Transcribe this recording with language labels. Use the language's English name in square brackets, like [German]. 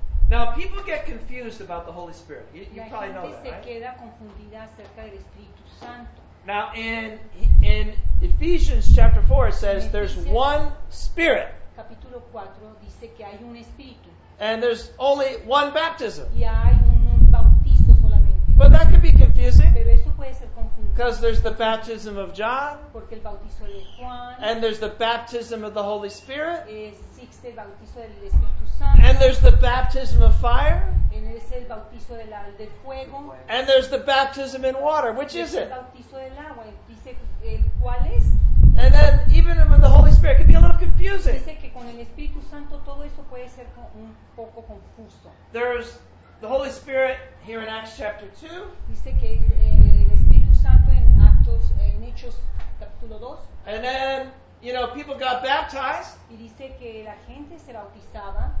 [English] Now, people get confused about the Holy Spirit. You probably know that, [Spanish] se [English] right? [Spanish] Queda confundida acerca del Espíritu Santo. [English] Now, in Ephesians chapter 4, it says there's one Spirit. [Spanish] Capítulo 4 dice que hay un Espíritu. [English] And there's only one baptism. [Spanish] Y hay un bautizo solamente. [English] But that could be confusing. [Spanish] Pero eso puede ser confundido. [English] Because there's the baptism of John. [Spanish] Porque el bautizo de Juan. [English] And there's the baptism of the Holy Spirit. [Spanish] Existe el bautizo del Espíritu Santo. [English] And there's the baptism of fire. [Spanish] En ese el bautizo del fuego. [English] And there's the baptism in water. Which [Spanish] es [English] is it? [Spanish] El bautizo del agua. Dice, ¿cuál es? [English] And then even with the Holy Spirit, it can be a little confusing. [Spanish] Dice que con el Espíritu Santo todo eso puede ser un poco confuso. [English] There's the Holy Spirit here in Acts chapter 2. [Spanish] Dice que el Espíritu Santo en Actos, en Hechos capítulo 2. [English] And then, you know, people got baptized. [Spanish] Y dice que la gente se bautizaba.